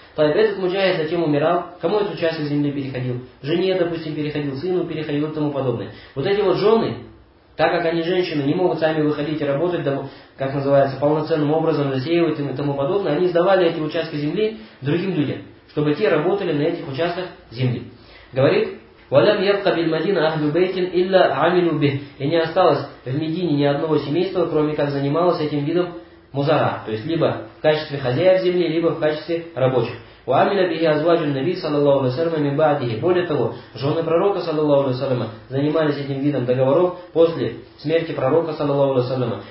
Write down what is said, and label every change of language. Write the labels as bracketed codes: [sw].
[ru] То есть этот муджахид затем умирал, кому этот участок земли переходил? Жене, допустим, переходил, сыну переходил и тому подобное. Вот эти вот жены, так как они женщины, не могут сами выходить и работать, как называется, полноценным образом засеивать им и тому подобное, они сдавали эти участки земли другим людям, чтобы те работали на этих участках земли. Говорит, [ar] وَلَمْ يَبْقَ بِالْمَدِينَ أَهْلُ بَيْتٍ إِلَّا عَمِلُوا بِهِ. [ru] И не осталось в Медине ни одного семейства, кроме как занималось этим видом музара. То есть, либо в качестве хозяев земли, либо в качестве рабочих. [ar] وَعَمِلَ بِهِ أَزْوَاجُ النَّبِي صَلَى اللَّهُ عَلَيْهِ وَسَلَّمَ مِنْ بَعْدِهِ. [ru] Более того, жены пророка, صلى الله عليه وسلم, занимались этим видом договоров после смерти пророка, صلى الله عليه وسلم.